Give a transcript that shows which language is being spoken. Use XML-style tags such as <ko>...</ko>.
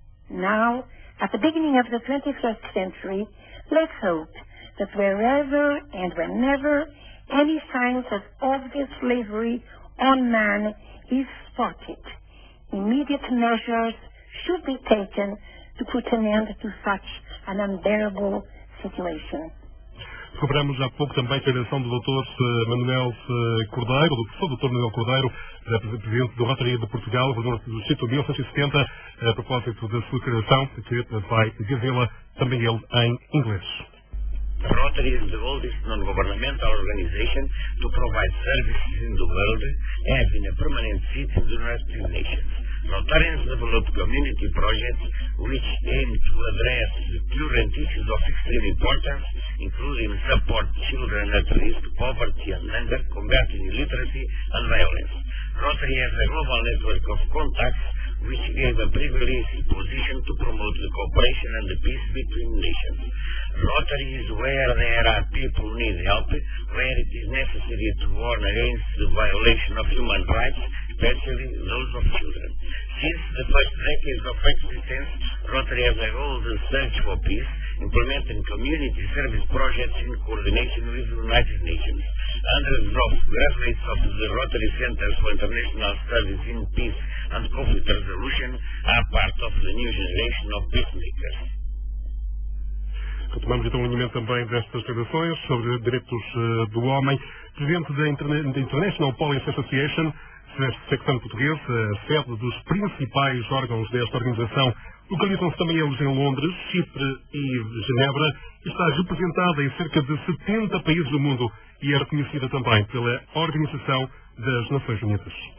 <en>Now, at the beginning of the 21st century, let's hope that wherever and whenever any signs of obvious slavery on man is spotted, immediate measures should be taken to put an end to such an unbearable situation.</en> <pt>Recuperamos há pouco também a intervenção do Dr. Manuel Cordeiro, do professor Dr. Manuel Cordeiro, presidente do Rotary de Portugal, governador do Instituto 1970, a propósito da sua declaração, que vai dizê-la também ele em inglês.</pt> <en>The Rotary is the oldest non-governmental organization to provide services in the world and has been a permanent seat in the United Nations. Rotarians develop community projects which aim to address the current issues of extreme importance, including support children at risk, poverty and hunger, combating illiteracy and violence. Rotary has a global network of contacts which gave a privileged position to promote the cooperation and the peace between nations. Rotary is where there are people who need help, where it is necessary to warn against the violation of human rights, especially those of children. Since the first decades of existence, Rotary has a golden search for peace, implementing community service projects in coordination with the United Nations. Hundreds of graduates of the Rotary Centers for International Studies in Peace and Conflict Resolution are part of the new generation of peacemakers.</en> <pt>Retomamos então o alinhamento também destas declarações sobre direitos do homem. Presidente da International Police Association, Sérgio Secretário Português, a sede dos principais órgãos desta organização, localizam-se também eles em Londres, Chipre e Genebra, está representada em cerca de 70 países do mundo e é reconhecida também pela Organização das Nações Unidas.</pt>